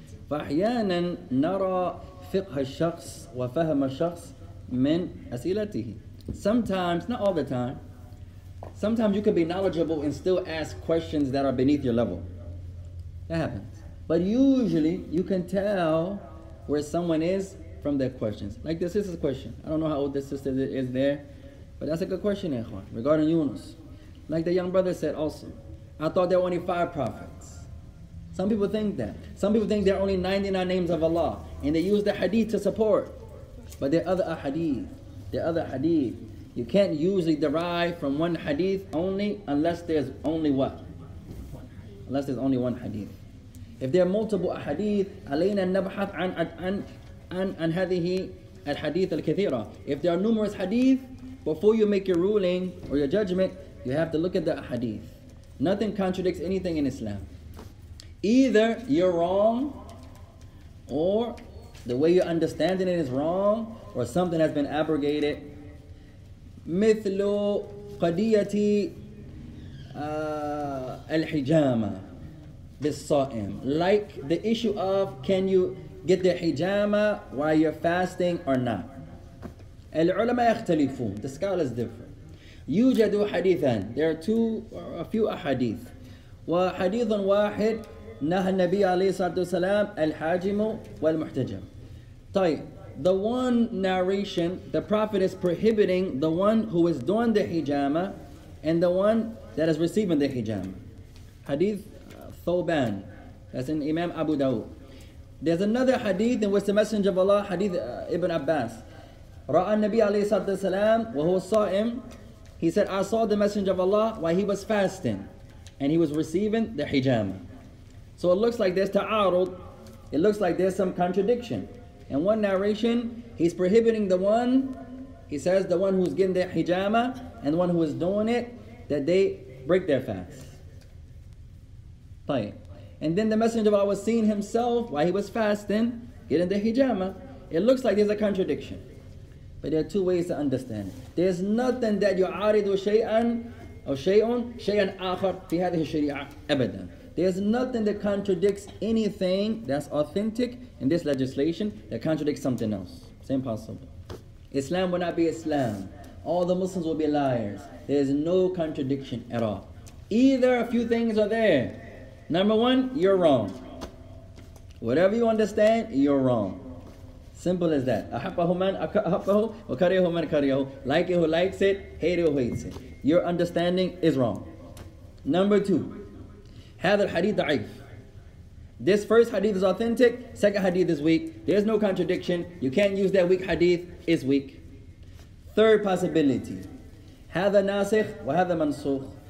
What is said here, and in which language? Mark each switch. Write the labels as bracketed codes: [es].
[ar] فأحيانا نرى فقه الشخص وفهم الشخص من أسئلته. [en] Sometimes, not all the time, sometimes you can be knowledgeable and still ask questions that are beneath your level. That happens. But usually, you can tell where someone is from their questions. Like the sister's question. I don't know how old the sister is there, but that's a good question, Yaquan, regarding Yunus. Like the young brother said also, I thought there were only five prophets. Some people think that. Some people think there are only 99 names of Allah. And they use the hadith to support. But there are other hadith. There are other hadith. You can't usually derive from one hadith only unless there's only what? Unless there's only one hadith. If there are multiple hadith, [ar] alayna nabhath an hadhihi al-hadith al-kathira. [en] If there are numerous hadith, before you make your ruling or your judgment, you have to look at the hadith. Nothing contradicts anything in Islam. Either you're wrong, or the way you're understanding it is wrong, or something has been abrogated. [ar] مثل قضية الحجامة بالصائم. [en] Like the issue of, can you get the hijama while you're fasting or not? [ar] العلماء يختلفون. [en] The scholars differ. [ar] يوجد حديثان. [en] There are two or a few ahadith. [ar] وحديث واحد نهى النبي عليه الصلاة والسلام الحاجم والمحتجم. طيب. [en] The one narration, the Prophet is prohibiting the one who is doing the hijama and the one that is receiving the hijama. Hadith Thoban. That's in Imam Abu Dawud. There's another hadith in which the Messenger of Allah, Hadith Ibn Abbas, [ar] رأى النبي عليه الصلاة والسلام وهو صائم. [en] He said, I saw the Messenger of Allah while he was fasting and he was receiving the hijama. So it looks like there's ta'arud. It looks like there's some contradiction. In one narration, he's prohibiting the one, he says, the one who's getting the hijama and the one who is doing it, that they break their fast. طيب. And then the Messenger of Allah was seeing himself while he was fasting, getting the hijama. It looks like there's a contradiction. But there are two ways to understand it. There's nothing that [ar] يعارض شيئاً أو شيئاً شيئاً آخر في هذه الشريعة أبداً. [en] There's nothing that contradicts anything that's authentic in this legislation that contradicts something else. It's impossible. Islam will not be Islam. All the Muslims will be liars. There's no contradiction at all. Either a few things are there. Number one, you're wrong. Whatever you understand, you're wrong. Simple as that. [ar] أَحَبَّهُ مَنْ أَحَبَّهُ وَكَرِيهُ مَنْ كَرِيهُ. [en] Like it who likes it, hate it who hates it. Your understanding is wrong. Number two. [ar] هذا الحديث ضعيف. [en] This first hadith is authentic, second hadith is weak. There's no contradiction. You can't use that weak hadith. It's weak. Third possibility. [ar] هذا ناسخ وهذا منسوخ.